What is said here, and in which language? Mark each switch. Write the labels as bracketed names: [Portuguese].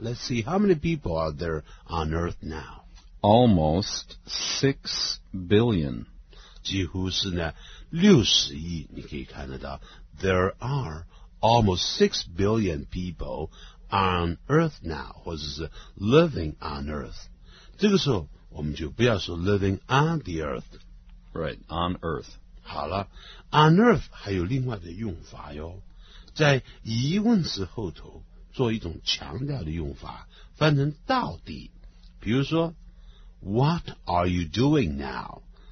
[English] Let's see how many people are there on Earth now. Almost 6 billion. [Chinese] 几乎是呢60亿，你可以看得到。 [English] There are almost 6 billion people on Earth now, [Chinese] 或者是 [English] living on Earth. [Chinese] 这个时候我们就不要说 [English] living on the Earth. Right, on Earth. [Chinese] 好了 , [English] on earth [Chinese] 还有另外的用法哟，在疑问词后头做一种强调的用法，翻成到底。比如说 [English] ,what are you doing now?